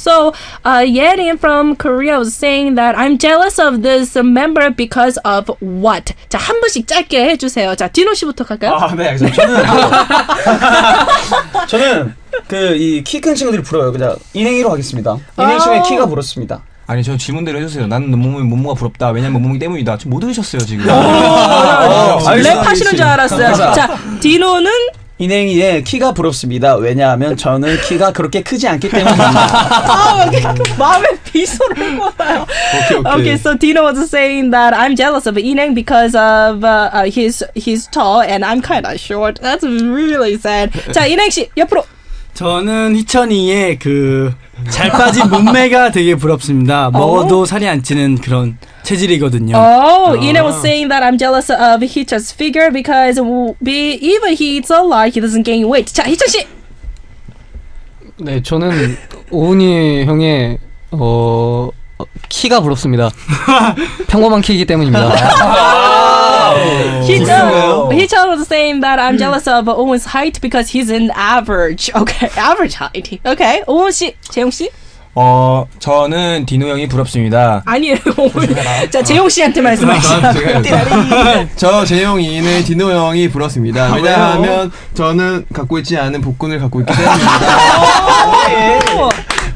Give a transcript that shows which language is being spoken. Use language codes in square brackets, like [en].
[en] So Yerin from Korea was saying that I'm jealous of this member because of what? [ko] 자, 한 분씩 짧게 해주세요. 자, 디노 씨부터 갈까요? 아, 네. 저는 저는 그 이 키 큰 친구들이 부러워요. 그냥 인행이로 가겠습니다. 인행 친구의 키가 부럽습니다. 아니 저 질문대로 해주세요. 나는 몸무게 몸무가 부럽다. 왜냐면 몸무게 때문이다. 지금 못 들으셨어요 지금. 랩 하시는 줄 알았어요. 자, 디노는 인행이의 키가 부럽습니다. 왜냐하면 저는 키가 그렇게 크지 않기 때문입니다. 마음에 비소를 받아요. [en] Okay, so Dino was saying that I'm jealous of Inang because of he's tall and I'm kind of short. That's really sad. [ko] 자, 인행 씨 옆으로. 저는 희천이의 그 잘 빠진 몸매가 되게 부럽습니다. 먹어도 살이 안 찌는 그런 체질이거든요. [en] Ine was saying that I'm jealous of Hee-chan's figure because even he eats a lot, he doesn't gain weight. [ko] 자, 희천 씨. 네, 저는 오은이 형의 키가 부럽습니다. 평범한 키이기 때문입니다. [en] 희천 was saying that I'm jealous of Owen's height because he's an average. Okay, average height. Okay, 오은 씨, 재용 씨. [ko] 저는 디노 형이 부럽습니다. 아니에요. 자, 재용 씨한테 말씀하시라고요. 저 재용이는 디노 형이 부럽습니다. 왜냐하면 저는 갖고 있지 않은 복근을 갖고 있기 때문입니다.